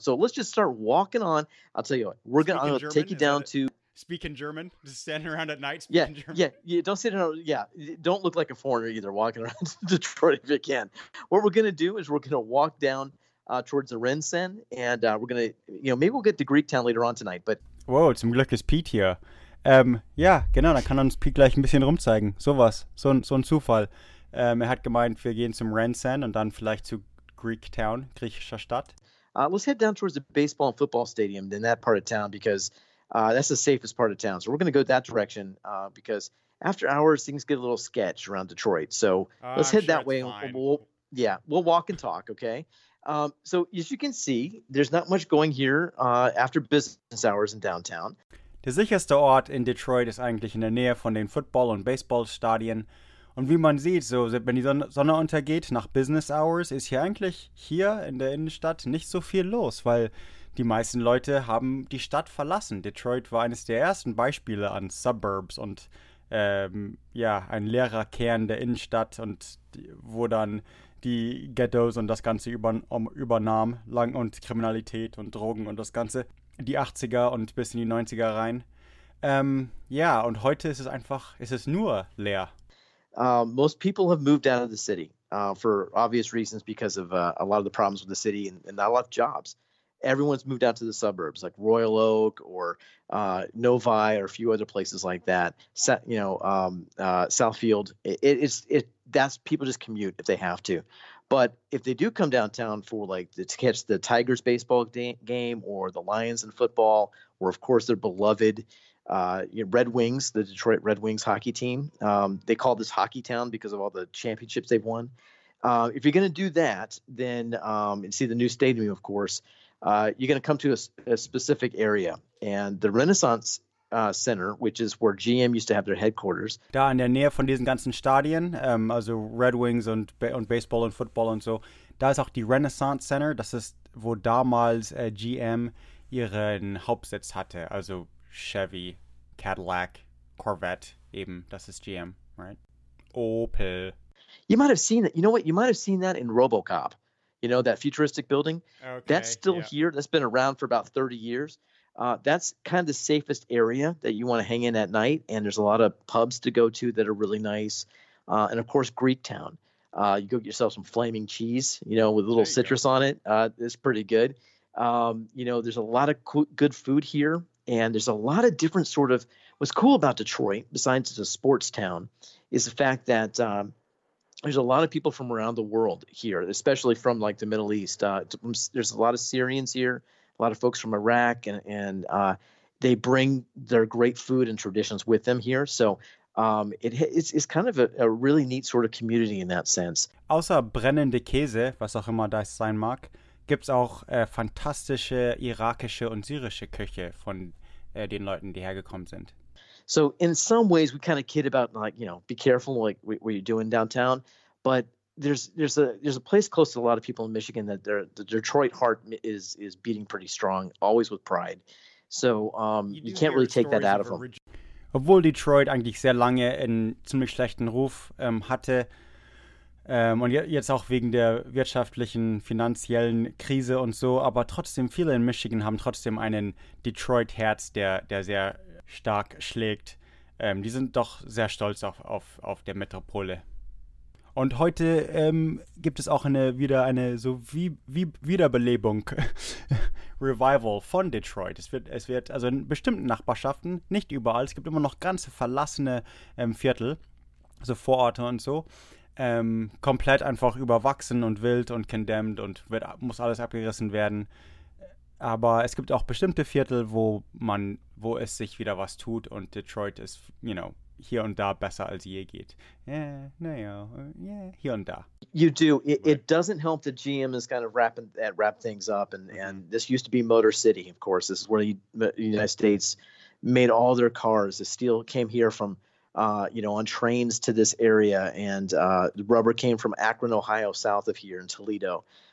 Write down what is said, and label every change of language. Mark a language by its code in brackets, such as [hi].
[en] So let's just start walking on. I'll tell you what. We're going to take you down to... Speak in German? Just standing around at night speaking yeah, German? Yeah, yeah. Don't sit in our... Yeah, don't look like a foreigner either walking around Detroit if you can. What we're going to do is we're going to walk down towards the Rinsen, and we're going to... You know, maybe we'll get to Greektown later on tonight, but... [de] Whoa, zum Glück ist Pete hier. Ja, genau, dann kann uns Pete gleich ein bisschen rumzeigen. Sowas, so ein Zufall. Er hat gemeint, wir gehen zum Rensen und dann vielleicht zu Greektown, griechischer Stadt. [en] Let's head down towards the baseball and football stadium in that part of town, because that's the safest part of town. So we're going to go that direction because after hours, things get a little sketch around Detroit. So let's head that way. We'll walk and talk. Okay. So as you can see, there's not much going here after business hours in downtown. [de] Der sicherste Ort in Detroit ist eigentlich in der Nähe von den Football- und Baseballstadien. Und wie man sieht, so wenn die Sonne untergeht nach Business Hours, ist hier eigentlich hier in der Innenstadt nicht so viel los, weil die meisten Leute haben die Stadt verlassen. Detroit war eines der ersten Beispiele an Suburbs und ein leerer Kern der Innenstadt, und wo dann die Ghettos und das Ganze übernahm lang und Kriminalität und Drogen und das Ganze. Die 80er und bis in die 90er rein. Und heute ist es einfach, ist es nur leer. [en] Most people have moved out of the city for obvious reasons, because of a lot of the problems with the city and not a lot of jobs. Everyone's moved out to the suburbs, like Royal Oak or Novi or a few other places like that. Southfield. That's people just commute if they have to. But if they do come downtown for to catch the Tigers baseball game or the Lions in football, or of course their beloved Red Wings, the Detroit Red Wings hockey team. They call this Hockey Town because of all the championships they've won. If you're going to do that, then and see the new stadium, of course, you're going to come to a specific area. And the Renaissance Center, which is where GM used to have their headquarters. [de] Da in der Nähe von diesen ganzen Stadien, also Red Wings und Baseball und Football und so, da ist auch die Renaissance Center. Das ist, wo damals GM ihren Hauptsitz hatte, also Chevy, Cadillac, Corvette, eben, das ist GM, right? Opel. [en] You might have seen that. You know what? You might have seen that in RoboCop. You know, that futuristic building? Okay, that's still here. That's been around for about 30 years. That's kind of the safest area that you want to hang in at night. And there's a lot of pubs to go to that are really nice. And, of course, Greek Town. You go get yourself some flaming cheese, you know, with a little citrus on it. It's pretty good. There's a lot of good food here. And there's a lot of different sort of – what's cool about Detroit, besides it's a sports town, is the fact that there's a lot of people from around the world here, especially from, the Middle East. There's a lot of Syrians here, a lot of folks from Iraq, and they bring their great food and traditions with them here. So it's kind of a really neat sort of community in that sense. [de] Außer brennende Käse, was auch immer das sein mag, gibt's auch fantastische irakische und syrische Küche von den Leuten, die hergekommen sind. [en] So in some ways we kind of kid about be careful what you're doing downtown, but there's a place close to a lot of people in Michigan that the Detroit heart is beating pretty strong, always with pride. So you can't really take that out of them. [de] Obwohl Detroit eigentlich sehr lange einen ziemlich schlechten Ruf hatte, und jetzt auch wegen der wirtschaftlichen, finanziellen Krise und so, aber trotzdem, viele in Michigan haben trotzdem einen Detroit-Herz, der sehr stark schlägt. Die sind doch sehr stolz auf der Metropole. Und heute gibt es auch eine Wiederbelebung, Revival von Detroit. Es wird also in bestimmten Nachbarschaften, nicht überall, es gibt immer noch ganze verlassene Viertel, so Vororte und so, komplett einfach überwachsen und wild und condemned und muss alles abgerissen werden. Aber es gibt auch bestimmte Viertel, wo es sich wieder was tut, und Detroit ist, hier und da besser als je geht. Hier und da. [en] You do. It doesn't help that GM is kind of wrapped things up, and this used to be Motor City, of course. This is where the United States made all their cars. The steel came here from on trains to this area, and the rubber came from Akron, Ohio, south of here in Toledo.